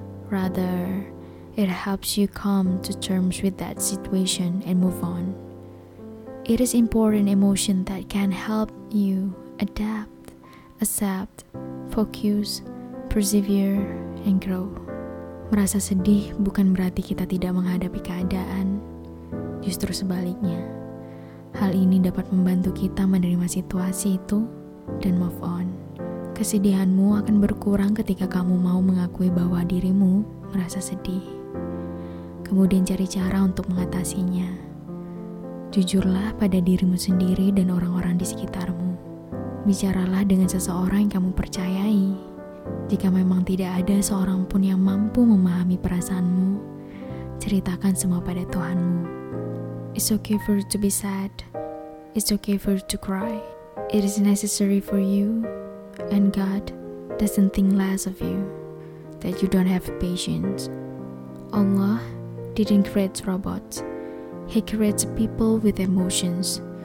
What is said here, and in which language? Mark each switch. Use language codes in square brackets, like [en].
[en] Rather, it helps you come to terms with that situation and move on. It is important emotion that can help you adapt, accept, focus, persevere, and grow. [id] Merasa sedih bukan berarti kita tidak menghadapi keadaan. Justru sebaliknya, hal ini dapat membantu kita menerima situasi itu dan [en] move on. [id] Kesedihanmu akan berkurang ketika kamu mau mengakui bahwa dirimu merasa sedih. Kemudian cari cara untuk mengatasinya. Jujurlah pada dirimu sendiri dan orang-orang di sekitarmu. Bicaralah dengan seseorang yang kamu percayai. Jika memang tidak ada seorang pun yang mampu memahami perasaanmu, ceritakan semua pada Tuhanmu. [en] It's okay for you to be sad. It's okay for you to cry. It is necessary for you, and God doesn't think less of you, that you don't have patience. Allah didn't create robots. He creates people with emotions.